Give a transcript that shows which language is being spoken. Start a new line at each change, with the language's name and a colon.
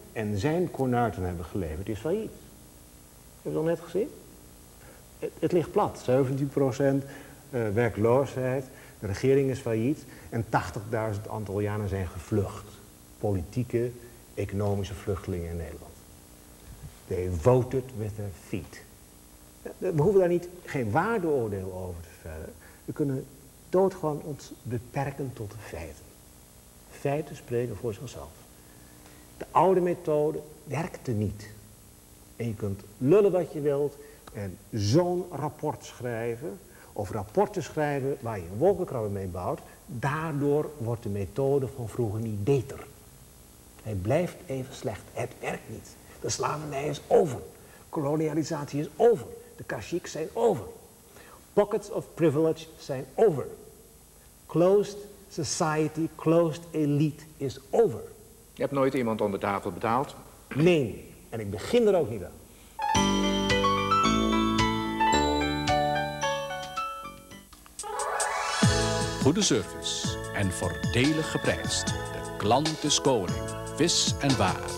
Dutch: en zijn cornuiten hebben geleverd, is failliet. Heb je dat al net gezien? Het ligt plat. 17% werkloosheid, de regering is failliet en 80.000 Antillianen zijn gevlucht. Politieke, economische vluchtelingen in Nederland.
English: They voted with their feet.
Dutch: We hoeven daar geen waardeoordeel over te vellen. We kunnen doodgewoon ons beperken tot de feiten. Feiten spreken voor zichzelf. De oude methode werkte niet. En je kunt lullen wat je wilt en zo'n rapport schrijven, of rapporten schrijven waar je een wolkenkrabber mee bouwt, daardoor wordt de methode van vroeger niet beter. Hij blijft even slecht. Het werkt niet. De slavernij is over. Kolonialisatie is over. De kasjiks zijn over.
English: Pockets of privilege
Dutch: zijn over.
English: Closed society, closed elite is over.
Dutch: Je hebt nooit iemand onder tafel betaald? Nee, en ik begin er ook niet aan. Goede service en voordelig geprijsd. De klant is koning. Vis en waar.